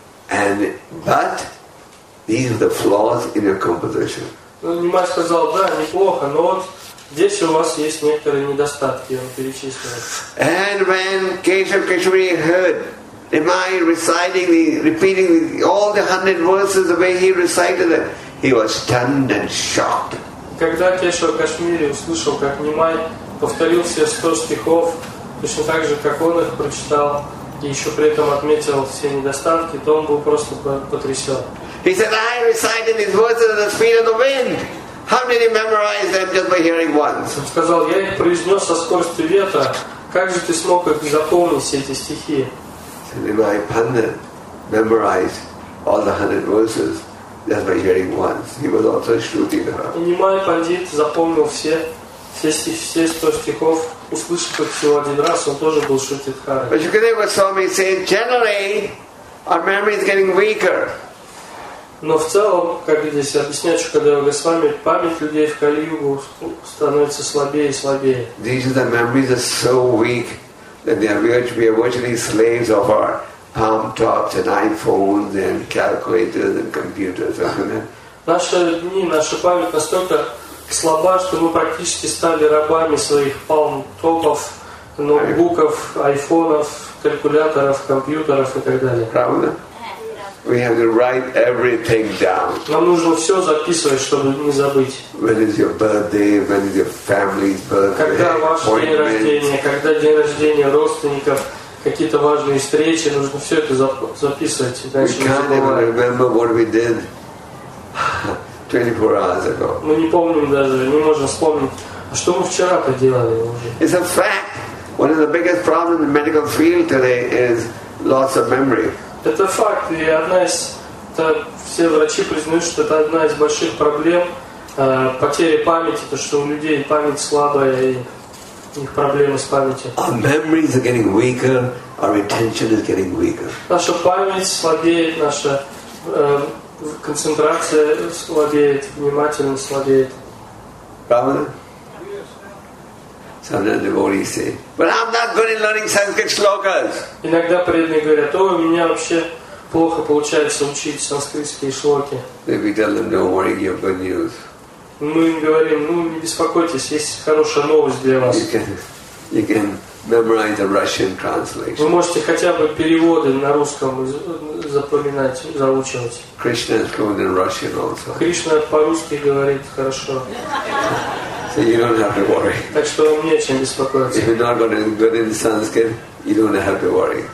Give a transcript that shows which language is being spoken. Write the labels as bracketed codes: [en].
[en] And, but, these are the flaws in your composition. [ru] Внимай сказал, да, неплохо, но вот здесь у вас есть некоторые недостатки, я вам перечислил. [en] And when Keshav Keshavri heard Nimai reciting the, repeating the, all the 100 verses the way he recited it, he was stunned and shocked. [ru] Когда Кешав Кашмири услышал, как Нимай повторил все 100 стихов, точно так же, как он их прочитал, и еще при этом отметил все недостатки, то он был просто потрясен. [en] He said, I recited these words at the speed of the wind. How did he memorize them just by hearing once? [ru] Он сказал, я их произнес со скоростью ветра. Как же ты смог их запомнить, все эти стихи? [en] So Nimai Pandit memorized all the 100 verses just by hearing once. He was also shooting her. [ru] Нимай Пандит запомнил все 100 стихов. Услышав их всего один раз, он тоже был шутитхарой. [en] But Shukadeva Swami said, generally, our memory is getting weaker. [ru] Но в целом, как здесь объясняет Шукадева Госвами, память людей в Кали-Югу становится слабее и слабее. [en] These are the memories that are so weak that they are virtually slaves of our palm tops and iPhones and calculators and computers. [ru] Наши дни, наша память настолько слаба, что мы практически стали рабами своих palm tops, ноутбуков, айфонов, калькуляторов, компьютеров и так далее. Правда? [en] We have to write everything down. [ru] Нам нужно все записывать, чтобы не забыть. [en] When is your birthday? When is your family's birthday? [ru] Когда ваш день рождения? Когда день рождения родственников? Какие-то важные встречи? Нужно все это записывать. [en] We can't even remember what we did 24 hours ago. [ru] Мы не помним даже, не можем вспомнить, что мы вчера поделали уже. [en] It's a fact. One of the biggest problems in the medical field today is loss of memory. [ru] Это факт, и одна из, все врачи признают, что это одна из больших проблем потери памяти, то что у людей память слабая и у них проблемы с памятью. [en] Our memories are getting weaker, our retention is getting weaker. [ru] Наша память слабеет, наша концентрация слабеет, внимательность слабеет. Правда? [en] Sometimes devotees say, but I'm not good in learning Sanskrit shlokas. [ru] Иногда преданные говорят, о, у меня вообще плохо получается учить санскритские шлоки. [en] Then we tell them, don't worry, you have good news. [ru] Мы им говорим, ну не беспокойтесь, есть хорошая новость для вас. [en] You can memorize a Russian translation. [ru] Вы можете хотя бы переводы на русском запоминать, заучивать. [en] Krishna is good in Russian also. [ru] Кришна по-русски говорит хорошо. [en] You don't have to worry. If you're not good in Sanskrit, you don't have to worry.